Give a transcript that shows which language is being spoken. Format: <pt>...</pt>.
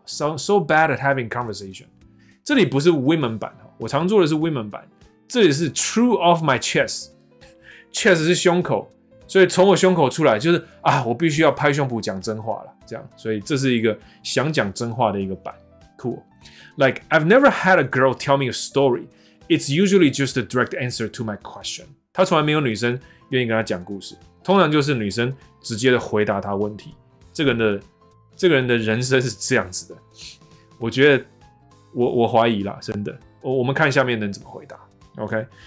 <en>So bad at having conversation。</en> <zh>这里不是 women 版我常做的是 women 版。这里是</zh> <en>true off my chest，</en> <zh>chest 是胸口，所以从我胸口出来就是啊，我必须要拍胸脯讲真话了。这样，所以这是一个想讲真话的一个版。</zh> <en>Cool。 Like I've never had a girl tell me a story. It's usually just a direct answer to my question。</en> <zh>她从来没有女生愿意跟她讲故事，通常就是女生直接的回答她问题。这个人的人生是这样子的，我觉得我怀疑啦，真的。我们看下面能怎么回答 ，OK？</zh>